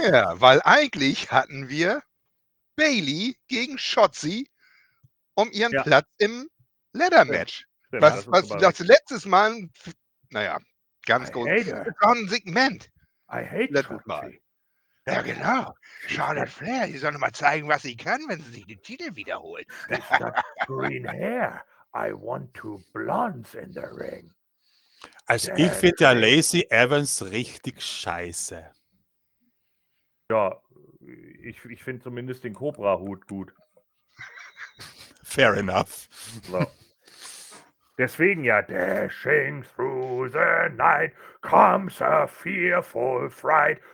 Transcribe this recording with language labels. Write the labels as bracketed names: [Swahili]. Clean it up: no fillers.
[German] Ja, weil eigentlich hatten wir Bayley gegen Shotzi um ihren Platz im Ladder Match. Was das letztes Mal, ganz groß, ein Segment. [English] I hate Shotzi. [German] Ja, genau. Charlotte Flair, die soll nochmal zeigen, was sie kann, wenn sie sich den Titel wiederholt. [English] Green hair. I want two blondes in the ring. [German] Also ich finde ja Lacey Evans richtig scheiße. Ja, ich finde zumindest den Cobra-Hut gut. [English] Fair enough. So. [German] Deswegen ja, [English] dashing through the night comes a fearful fright.